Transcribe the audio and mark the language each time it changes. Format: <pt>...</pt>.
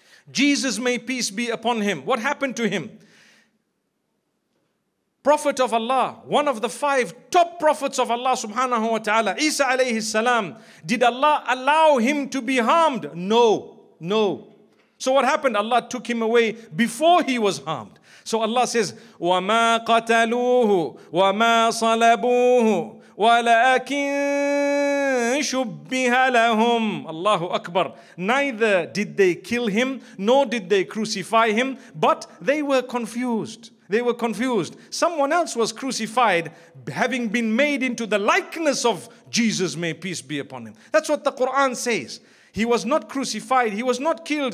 <en>Jesus, may peace be upon him. What happened to him? Prophet of Allah, one of the five top prophets of Allah subhanahu wa ta'ala, Isa alayhi salam. Did Allah allow him to be harmed? No. No. So what happened? Allah took him away before he was harmed. So Allah says,</en> <ar>وَمَا قَتَلُوهُ وَمَا صَلَبُوهُ وَلَكِنْ شُبِّهَ لَهُمْ. Allahu Akbar.</ar> <en>Neither did they kill him, nor did they crucify him, but they were confused. They were confused. Someone else was crucified, having been made into the likeness of Jesus, may peace be upon him. That's what the Quran says. He was not crucified. He was not killed.</en>